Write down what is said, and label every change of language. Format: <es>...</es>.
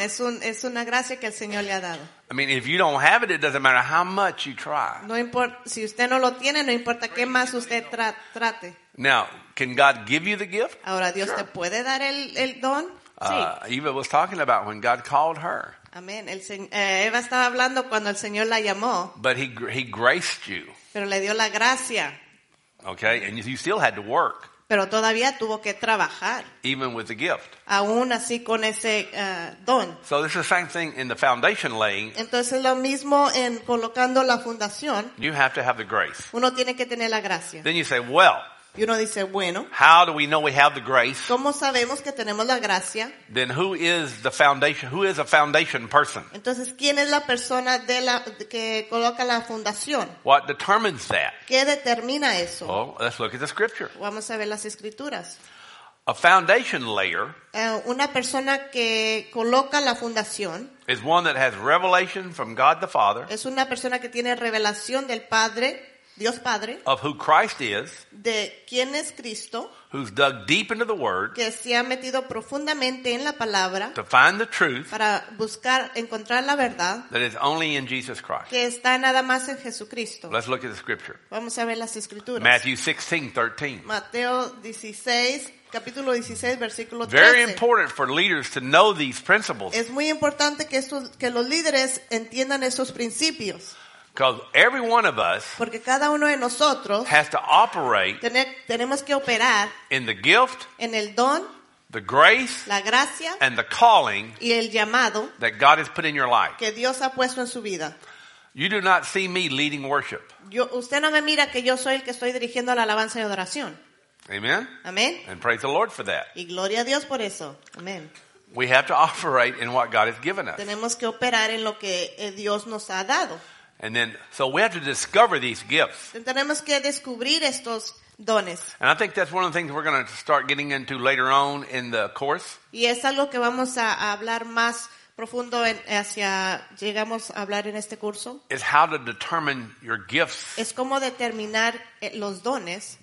<es>Es una gracia que el Señor le ha dado.</es> <en>I mean, if you don't have it, it doesn't matter how much you try.</en> <es>No importa si usted no lo tiene, no importa qué más usted trate.</es> <en>Now, can God give you the gift?</en> <es>Ahora Dios</es> <en>sure.</en> <es>te puede dar el don. Sí.</es> <en>Eva was talking about when God called her.</en> <es>Amén. Eva estaba hablando cuando el Señor la llamó.</es> <en>But he graced you.</en> <es>Pero le dio la gracia.</es> <en>Okay, and you still had to work.</en> <es>Pero todavía tuvo que trabajar.</es> <en>Even with the gift.</en> <es>Aún así con ese don.</es> <en>So this is the same thing in the foundation laying.</en> <es>Entonces lo mismo en colocando la fundación.</es> <en>You have to have the grace.</en> <es>Uno tiene que tener la gracia.</es> <en>Then you say, well.</en> <es>Y uno dice, bueno.</es> <en>How do we know we have the grace?</en> <es>¿Cómo sabemos que tenemos la gracia?</es> <en>Then who is the foundation? Who is a foundation person?</en> <es>Entonces, ¿quién es la persona de la que coloca la fundación?</es> <en>What determines that?</en> <es>¿Qué determina eso?</es> <en>Oh, well, let's look at the scripture.</en> <es>Vamos a ver las escrituras.</es> <en>A foundation layer.</en> <es>Una persona que coloca la fundación.</es> <en>Is one that has revelation from God the Father.</en> <es>Es una persona que tiene revelación del Padre. Dios Padre,</es> <en>of who Christ is,</en> <es>de quién es Cristo,</es> <en>who's dug deep into the Word,</en> <es>que se ha metido profundamente en la palabra,</es> <en>to find the truth,</en> <es>para buscar, encontrar la verdad,</es> <en>that is only in Jesus Christ,</en> <es>que está nada más en Jesucristo.</es> <en>Let's look at the scripture.</en> <es>Vamos a ver las escrituras.</es> <en>Matthew 16:13.</en> <es>Mateo 16, capítulo 16, versículo 13.</es> <en>Very important for leaders to know these principles.</en> <es>Es muy importante que los líderes entiendan esos principios.</es> <en>Because every one of us</en> <es>cada uno de nosotros</es> <en>has to operate</en> <es>tenemos que operar</es> <en>in the gift,</en> <es>en el don,</es> <en>the grace,</en> <es>la gracia,</es> <en>and the calling</en> <es>y el llamado</es> <en>that God has put in your life.</en> <es>Que Dios ha puesto en su vida.</es> <en>You do not see me leading worship.</en> <es>Usted no me mira que yo soy el que estoy dirigiendo la alabanza y adoración.</es> <en>Amen.</en> <es>Amen.</es> <en>And praise the Lord for that.</en> <es>Y gloria a Dios por eso. Amen.</es> <en>We have to operate in what God has given us.</en> <es>Tenemos que operar en lo que Dios nos ha dado.</es> <en>And then, so we have to discover these gifts.</en> <es>Tenemos que descubrir estos dones.</es> <en>And I think that's one of the things we're going to start getting into later on in the course.</en> <es>Y es algo que vamos a hablar más profundo en, hacia llegamos a hablar en este curso.</es> <en>Is how to determine your gifts.</en> <es>Es cómo determinar los dones.</es>